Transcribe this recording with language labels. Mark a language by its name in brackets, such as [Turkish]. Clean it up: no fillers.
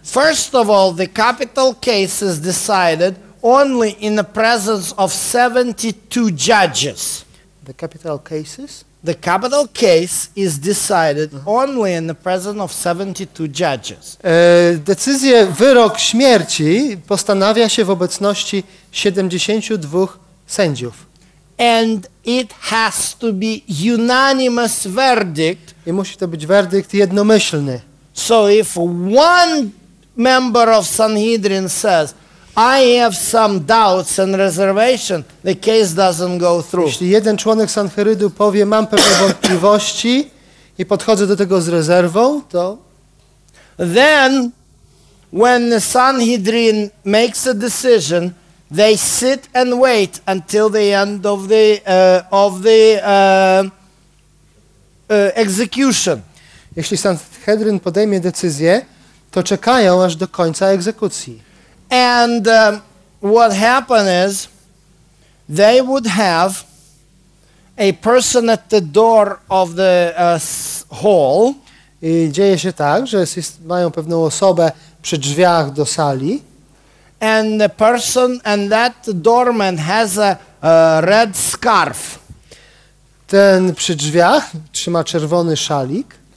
[English] First of all, the capital case is decided only in the presence of 72 judges. The capital cases? The capital case is decided only in the presence of 72 judges. [Polish] Decyzję, wyrok śmierci postanawia się w obecności 72 sędziów. [English] And it has to be unanimous verdict. [Polish] I musi to być werdykt jednomyślny. [English] So if one member of Sanhedrin says, I have some doubts and reservation, the case doesn't go through. [Polish] Jeśli jeden członek Sanhedrynu powie, mam pewne wątpliwości i podchodzę do tego z rezerwą, to [English] then when the Sanhedrin makes a decision, they sit and wait until the end of the execution. [Polish] Jeśli Sanhedrin podejmie decyzję, to czekają aż do końca egzekucji. [English] And what happened is they would have a person at the door of the hall. [Polish] I dzieje się tak, że mają pewną osobę przy drzwiach do sali. [English] And the person and that doorman has a red scarf. [Polish] Ten przy drzwiach trzyma czerwony szalik.